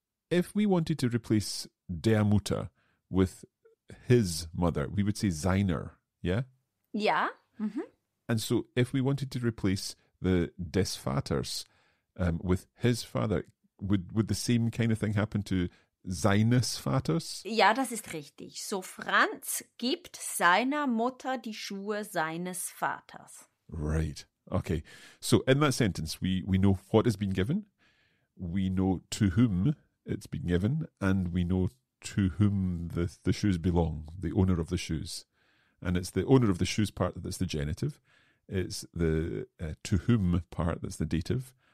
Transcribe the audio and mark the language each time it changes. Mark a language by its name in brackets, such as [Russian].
[English] If we wanted to replace [German] der Mutter [English] with his mother, we would say seiner, yeah? Yeah. And so if we wanted to replace the [German] des Vaters [English] with his father, would the same kind of thing happen to [German] seines Vaters? Ja, das ist richtig. So Franz gibt seiner Mutter die Schuhe seines Vaters. [English] Right. Okay. So in that sentence, we know what has been given. We know to whom it's been given, and we know to whom the shoes belong, the owner of the shoes. And it's the owner of the shoes part that's the genitive. It's the to whom part that's the dative.